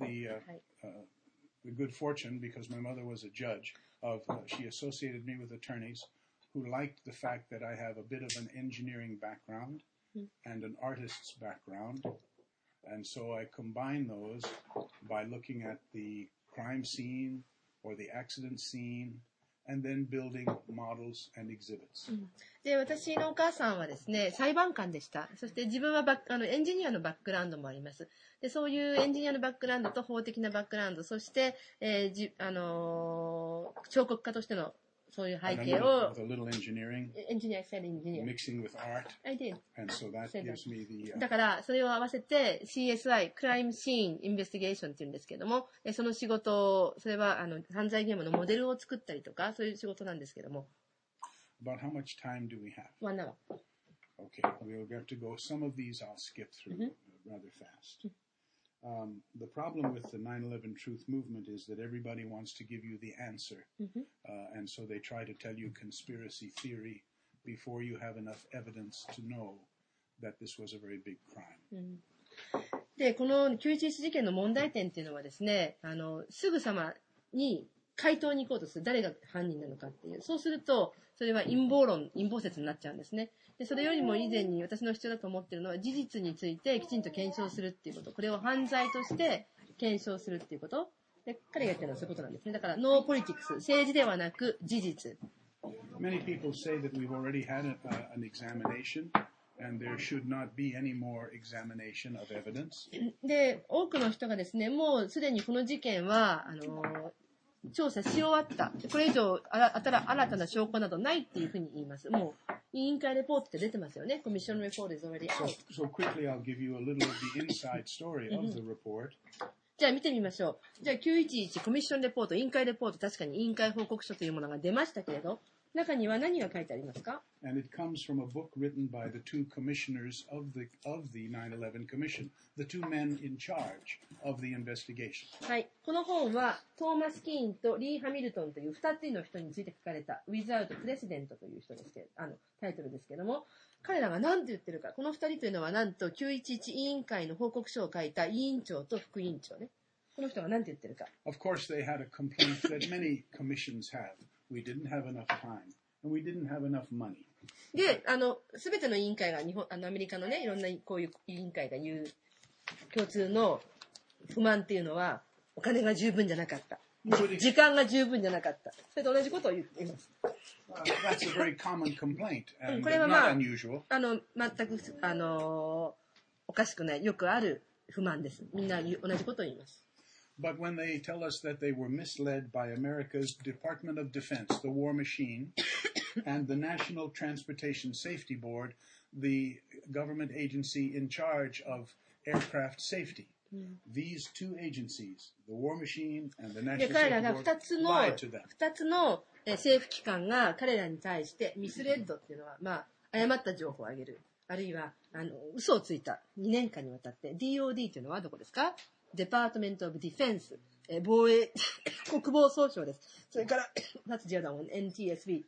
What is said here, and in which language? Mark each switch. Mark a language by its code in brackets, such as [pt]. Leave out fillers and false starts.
[en] I've had the good fortune because my mother was a judge of she associated me with attorneys who liked the fact that I have a bit of an engineering background and an artist's background and so I combine those by looking at the crime scene or the accident sceneAnd then building models and exhibits. [ja] で、私のお母さんはですね、裁判官でした。そして自分はエンジニアのバックグラウンドもあります。で、そういうエンジニアのバックグラウンドと法的なバックグラウンド、そして、彫刻家としてのそういう背景を、 [en] with a little engineering, [ja] エンジニア、セルエンジニア、 [en] mixing with art. I did. And so that gives me the, [ja] だから、それを合わせて CSI、クライムシーンインベスティゲーションっていうんですけども、その仕事を、それは犯罪ゲームのモデルを作ったりとか、そういう仕事なんですけども。 [en] About how much time do we have? One hour. Okay, we'll have to go. Some of these I'll skip through rather fast. The problem with the 9/11 truth movement is that everybody wants to give you the answer, and so they try to tell you conspiracy theory before you have enough evidence to know that this was a very big crime. [ja] で、この911事件の問題点っていうのはですね、すぐさまに回答に行こうとする。誰が犯人なのかっていう。そうすると、それは陰謀論、陰謀説になっちゃうんですね。で、それよりも以前に私の必要だと思っているのは、事実についてきちんと検証するっていうこと。これを犯罪として検証するっていうこと。で、彼が言ってるのはそういうことなんですね。だから、ノーポリティクス。政治ではなく、事実。 [en] Many people say that we've already had an examination, and there should not be any more examination of evidence. [ja] で、多くの人がですね、もうすでにこの事件は、調査し終わった。これ以上新たな証拠などないっていうふうに言います。もう委員会レポートって出てますよね。コミッションレポートは [en] already out。 So quickly, I'll give you a little of the inside story of the report. [ja] じゃあ見てみましょう。じゃあ911コミッションレポート、委員会レポート、確かに委員会報告書というものが出ましたけれど、中には何が書いてありますか? [en] And it comes from a book written by the two commissioners of the 9/11 commission, the two men in charge of the investigation. [ja] はい、この本はトーマス・キーンとリー・ハミルトンという2人の人について書かれた Without President という人ですけど、あのタイトルですけども、彼らが何と言ってるか、この2人というのはなんと911委員会の報告書を書いた委員長と副委員長ね。この人が何て言ってるか。 [en] Of course, they had a complaint that many commissions have. We didn't have enough time, and we didn't have enough money. [ja] で、あの、すべての委員会が日本、あのアメリカのね、いろんなこういう委員会が言う共通の不満っていうのは、お金が十分じゃなかった。時間が十分じゃなかった。それと同じことを言っています。 [en] That's a very common complaint, and [ja] これはまあ、 [en] not [ja] あの、全く、あの、おかしくない、よくある不満です。みんな同じことを言います。 [en] But when they tell us that they were misled by America's Department of Defense, the War Machine, and the National Transportation Safety Board, the government agency in charge of aircraft safety, these two agencies, the War Machine and the National Safety Board, lied to them. [ja] 2つの政府機関が彼らに対してミスレッドっていうのは、まあ、誤った情報をあげる。あるいは、あの、嘘をついた。2年間にわたって。DOD っていうのはどこですか? デパートメントオブディフェンス、防衛国防総省です。それから、なつ違うだもん、NTSB、